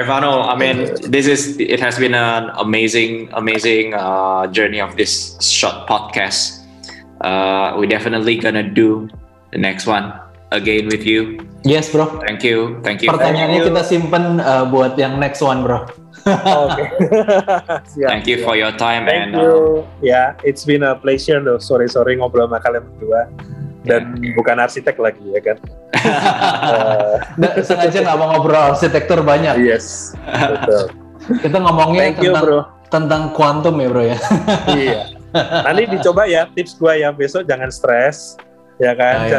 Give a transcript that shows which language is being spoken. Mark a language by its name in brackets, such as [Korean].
[English] Evano, I mean, it has been an amazing journey of this short podcast. We definitely gonna do the next one again with you. Yes, bro. Thank you. [Indonesian] Pertanyaannya kita simpen buat yang [English] next one, [Indonesian] bro. [English] Okay. Thank you for your time. Thank you. Yeah, it's been a pleasure. Sorry [Indonesian] ngobrol sama kalian berdua. dan bukan arsitek lagi ya kan. Sengaja nggak mau ngobrol arsitektur banyak. [English] Yes, [Indonesian] betul. Kita ngomongnya tentang kuantum ya bro ya. Iya. Nanti dicoba ya tips gue ya, besok jangan stres ya kan. Ayo.